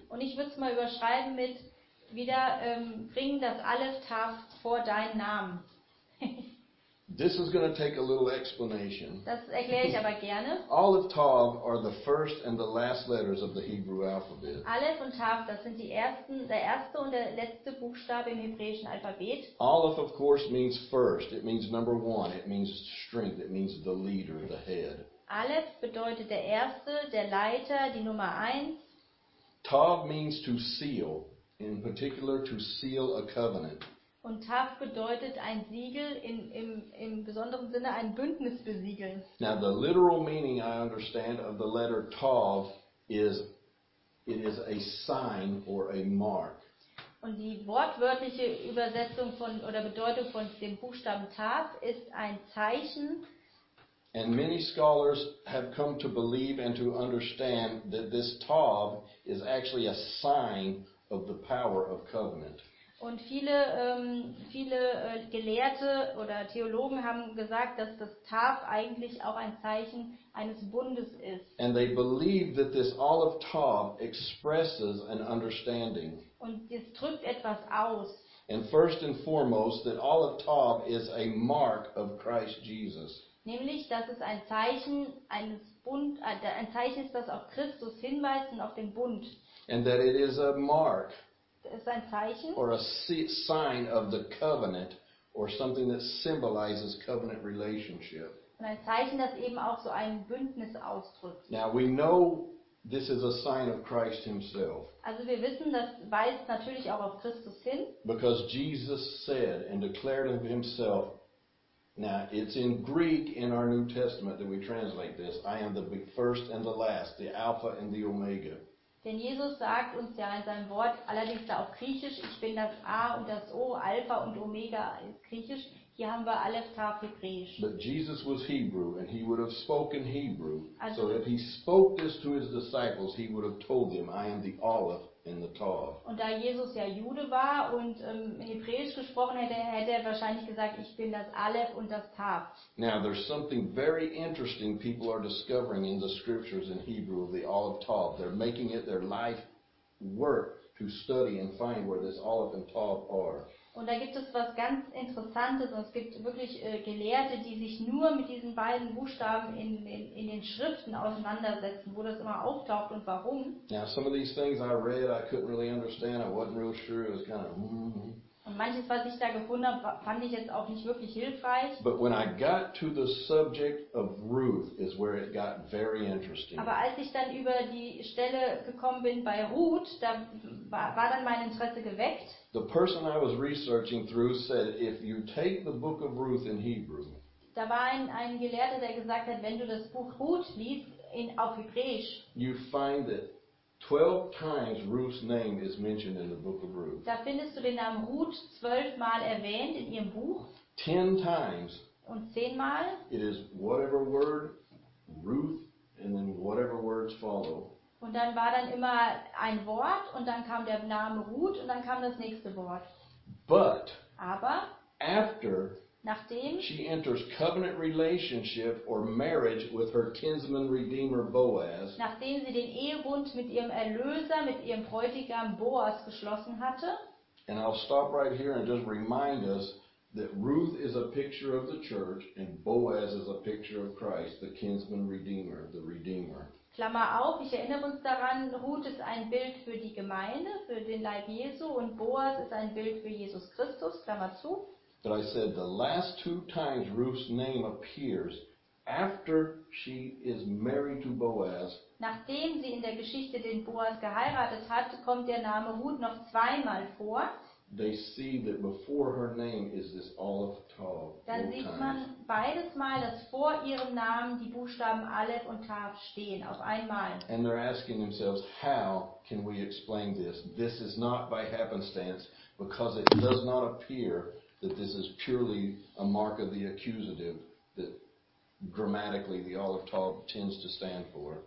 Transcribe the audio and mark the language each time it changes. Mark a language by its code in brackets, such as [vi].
[de] Und ich würde es mal überschreiben mit wieder bringen das Aleph Tav vor deinen Namen. [en] This is going to take a little explanation. [de] Das erkläre ich aber gerne. [en] Aleph Tav are the first and the last letters of the Hebrew alphabet. [de] Aleph und Tav, das sind der erste und der letzte Buchstabe im hebräischen Alphabet. [en] Aleph of course means first. It means number one. It means strength. It means the leader, the head. [de] Aleph bedeutet der erste, der Leiter, die Nummer eins. [en] Tav means to seal. In particular, to seal a covenant. [de] Und Tav bedeutet ein Siegel, im besonderen Sinne ein Bündnis besiegeln. [en] Now the literal meaning I understand of the letter Tav is, it is a sign or a mark. [de] Und die wortwörtliche Übersetzung von oder Bedeutung von dem Buchstaben Tav ist ein Zeichen. [en] And many scholars have come to believe and to understand that this Tav is actually a sign of the power of covenant. [de] Und viele Gelehrte oder Theologen haben gesagt, dass das Tav eigentlich auch ein Zeichen eines Bundes ist. [en] And they believe that this olive tav expresses an understanding. [de] Und es drückt etwas aus. [en] And first and foremost, that olive tav is a mark of Christ Jesus. [de] Nämlich, dass es ein Zeichen eines ein Zeichen ist, das auf Christus hinweist und auf den Bund. [en] And that it is a mark, [de] ist ein Zeichen, [en] or a sign of the covenant, or something that symbolizes covenant relationship. [de] Und ein Zeichen, das eben auch so ein Bündnis ausdrückt. [en] Now we know this is a sign of Christ himself. [de] Also wir wissen, das weist natürlich auch auf Christus hin. [en] Because Jesus said and declared of himself, now it's in Greek in our New Testament that we translate this, I am the first and the last, the Alpha and the Omega. [de] Denn Jesus sagt uns ja in seinem Wort, allerdings da auf Griechisch, ich bin das A und das O, Alpha und Omega ist Griechisch. Hier haben wir Aleph Tav Hebräisch. [en] But Jesus was Hebrew and he would have spoken Hebrew. Also, so if he spoke this to his disciples, he would have told them, I am the Aleph and the Tav. [de] Und da Jesus ja Jude war und Hebräisch gesprochen hätte, hätte er wahrscheinlich gesagt, ich bin das Aleph und das Tav. [en] Now there's something very interesting people are discovering in the scriptures in Hebrew of the Aleph Tav. They're making it their life work to study and find where this Aleph and Tav are. [de] Und da gibt es was ganz Interessantes und es gibt wirklich Gelehrte, die sich nur mit diesen beiden Buchstaben in den Schriften auseinandersetzen, wo das immer auftaucht und warum. [en] Now some of these things I read, I couldn't really understand, I wasn't real sure, it was kind of [de] Und manches, was ich da gefunden habe, fand ich jetzt auch nicht wirklich hilfreich. [en] But when I got to the subject of Ruth is where it got very interesting. [de] Aber als ich dann über die Stelle gekommen bin bei Ruth, da war dann mein Interesse geweckt. [en] The person I was researching through said, if you take the book of Ruth in Hebrew. [de] Da war ein Gelehrter, der gesagt hat, wenn du das Buch Ruth liest auf Hebräisch. [en] You find it. 12 times Ruth's name is mentioned in the book of Ruth. [de] Da findest du den Namen Ruth 12 Mal erwähnt in ihrem Buch. [en] 10 times. [de] Und 10 Mal. [en] It is whatever word Ruth and then whatever words follow. [de] Und dann war dann immer ein Wort und dann kam der Name Ruth und dann kam das nächste Wort. [en] But. [de] Aber. [en] After. [de] Nachdem. [en] She enters covenant relationship or marriage with her kinsman redeemer Boaz. [de] Nachdem sie den Ehebund mit ihrem Erlöser, mit ihrem Bräutigam Boaz geschlossen hatte. [en] And I'll stop right here and just remind us that Ruth is a picture of the church and Boaz is a picture of Christ, the kinsman redeemer, the redeemer. [de] Klammer auf, ich erinnere uns daran, Ruth ist ein Bild für die Gemeinde, für den Leib Jesu, und Boas ist ein Bild für Jesus Christus, Klammer zu. [en] But I said the last two times Ruth's name appears after she is married to Boaz. [de] Nachdem sie in der Geschichte den Boas geheiratet hat, kommt der Name Ruth noch zweimal vor. [en] They see that before her name is this Aleph Tav. [de] Dann sieht man beides Mal, dass vor ihrem Namen die Buchstaben Aleph und Tav stehen, auf einmal. [en] And they're asking themselves, how can we explain this? This is not by happenstance, because it does not appear that this is purely a mark of the accusative that grammatically the Aleph Tav tends to stand for.